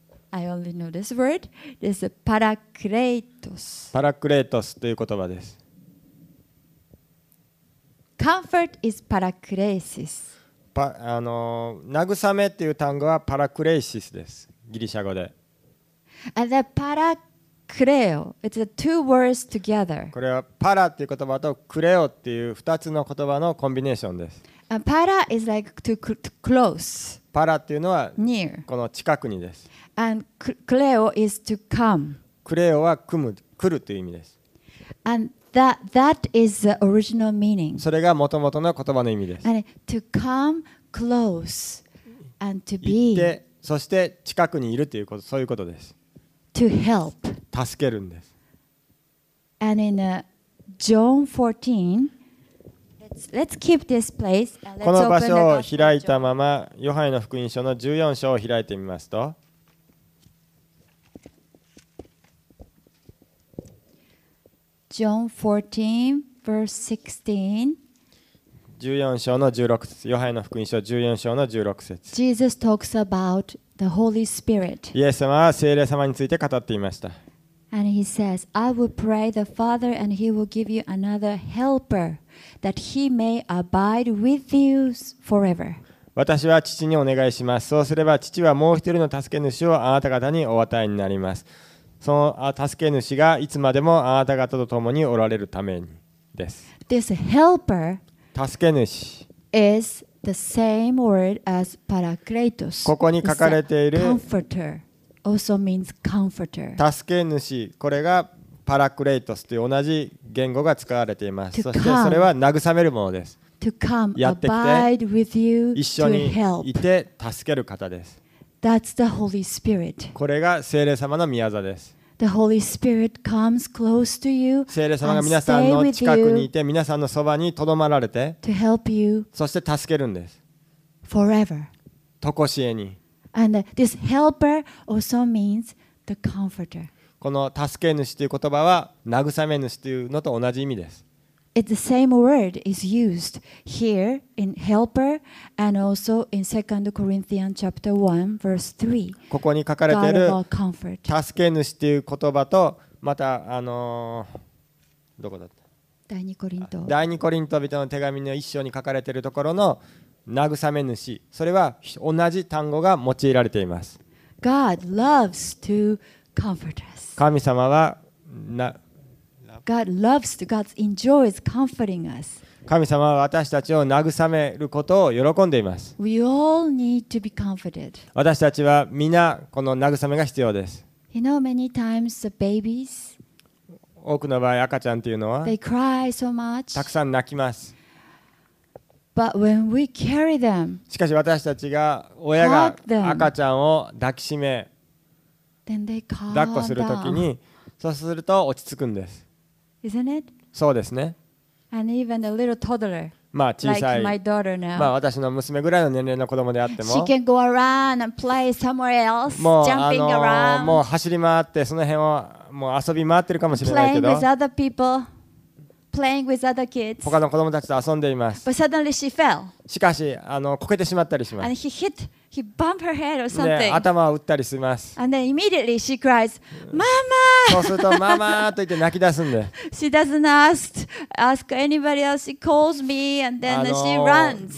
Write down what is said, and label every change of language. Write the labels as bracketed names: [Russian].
[English] I only know this word. This is parakletos. [Japanese] Parakletos という言葉です。 [English] Comfort is parakleisis. [Japanese] 慰めっていう単語はパラクレーシスです。ギリシャ語で。 [English] And the parakleo, it's the two words together. [Japanese] これはパラっていう言葉とクレオっていう2つの言葉のコンビネーションです。 [English] Para is like to close. [Japanese] パラっていうのは、 [English] near. [Japanese] この近くにです。 [English] And cleo is to come. [Japanese] クレオは来るという意味です。 [English] And That is the original meaning. [Japanese] それが元々の言葉の意味です。 [English] And to come close and to be. [Japanese] 行って、そして近くにいるということ、そういうことです。 [English] To help. [Japanese] 助けるんです。 [English] And in John 14, let's keep this place. [Japanese] この場所を開いたまま、ヨハネの福音書の14章を開いてみますと、 [English] John 14, verse 16. 14 [Japanese] 章の16節、ヨハネの福音書14章の16節。 [English] Jesus talks about the Holy Spirit. [Japanese] イエス様は聖霊様について語っていました。 [English] And he says, I will pray the Father, and he will give you another helper, that he may abide with you forever. [Japanese] 私は父にお願いします。そうすれば父はもう一人の助け主をあなた方にお与えになります。その助け主がいつまでもあなた方と共におられるためにです。 [English] This helper [Japanese] 助け主 [English] is the same word as parakletos. [Japanese] ここに書かれている [English] comforter also means comforter. [Japanese] 助け主、これがパラクレイトスという同じ言語が使われています。そしてそれは慰めるものです。 [English] To come, abide with you, to help. [Japanese] 一緒にいて助ける方です。 [English] That's the Holy Spirit. [Japanese] これが聖霊様の御業です。 [English] The Holy Spirit comes close to you. [Japanese] 聖霊様が皆さんの近くにいて、皆さんのそばにとどまられて、 [English] to help you. [Japanese] そして助けるんです。 [English] Forever. [Japanese] とこしえに。 [English] And this helper also means the comforter. [Japanese] この助け主という言葉は慰め主というのと同じ意味です。 [English] It's the same word is used here in helper and also in 2 Corinthians chapter 1 verse 3. [Japanese] ここに書かれている助け主という言葉とまたどこだった？第二コリント人の手紙の一章に書かれているところの慰め主、それは同じ単語が用いられています。 [English] God loves to comfort us. [Japanese] 神様はな。 [English] God loves to, God enjoys comforting us. [Japanese] 神様は私たちを慰めることを喜んでいます。 [English] We all need to be comforted. [Japanese] 私たちはみんなこの慰めが必要です。 [English] You know, many times the babies, [Japanese] 多くの場合赤ちゃんというのは [English] they cry so much. [Japanese] たくさん泣きます。 [English] But when we carry them, [Japanese] しかし私たちが親が赤ちゃんを抱きしめ、 [English] then they calm down. [Japanese] 抱っこするときに、そうすると落ち着くんです。 [English] Isn't it? [Japanese] そうですね。 [English] And even a little toddler, [Japanese] まあ小さい、 [English] like my daughter now. [Japanese] まあ私の娘ぐらいの年齢の子供であっても、 [English] she can go around and play somewhere else, jumping around. [Japanese] もう走り回ってその辺をもう遊び回ってるかもしれないけど、 [English] playing with other people, playing with other kids. [Japanese] 他の子供たちと遊んでいます。 [English] But suddenly she fell. [Japanese] しかしこけてしまったりします。 [English] And he bumped her head or something. [Japanese] 頭を打ったりします。 [English] And then immediately she cries, "Mama!" [Japanese] そうするとママと言って泣き出すんで。 [English] She doesn't ask anybody else. She calls me, and then she runs.